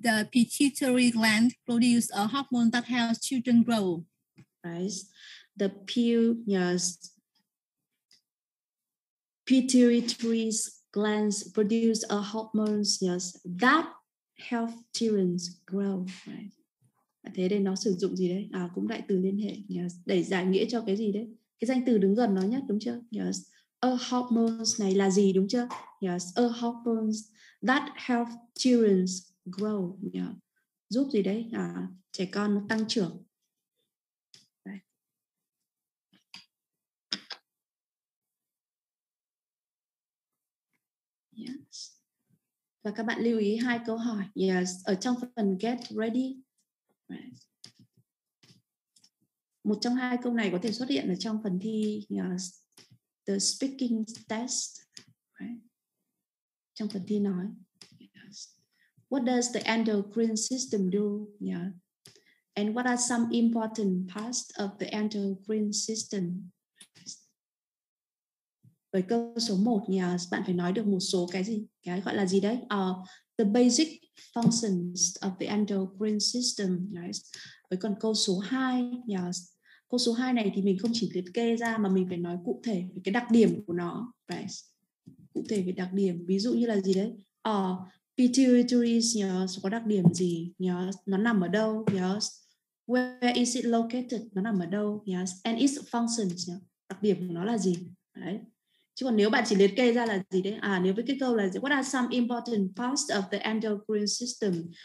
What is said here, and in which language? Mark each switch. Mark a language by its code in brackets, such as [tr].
[en] pituitary gland produces a hormone that helps children grow, right? The pituitary glands produce a hormone, yes, that helps children grow, right? [vi] Thế đây nó sử dụng gì đấy? À, cũng đại từ liên hệ. Yes. Để giải nghĩa cho cái gì đấy? Cái danh từ đứng gần nó nhất, đúng chưa? Yes. A hormones này là gì, đúng chưa? [en] Yes. A hormones that help children grow. Yeah. [vi] Giúp gì đấy? À, trẻ con nó tăng trưởng. [en] Yes. [vi] Và các bạn lưu ý hai câu hỏi. Yes. Ở trong phần get ready. Right. Một trong hai câu này có thể xuất hiện ở trong phần thi [en] the speaking test, [vi] right? Trong phần thi nói, [en] yes. What does the endocrine system do? Yeah. And what are some important parts of the endocrine system? [vi] Với câu số 1, yes, bạn phải nói được một số cái gì? Cái gọi là gì đấy? [en] The basic functions of the endocrine system, right? [vi] Với còn câu số 2, yes. Câu số 2 này thì mình không chỉ liệt kê ra mà mình phải nói cụ thể về cái đặc điểm của nó, right? Cụ thể về đặc điểm, ví dụ như là gì đấy? Pituitary, yes, có đặc điểm gì? Yes. Nó nằm ở đâu? Yes. [en] Where is it located? [vi] Nó nằm ở đâu? Yes. [en] And its functions, [vi] yes. Đặc điểm của nó là gì? Đấy. Chứ còn nếu bạn chỉ liệt kê ra là gì đấy? À, nếu với cái câu là gì? [en] What are some important parts of the endocrine system?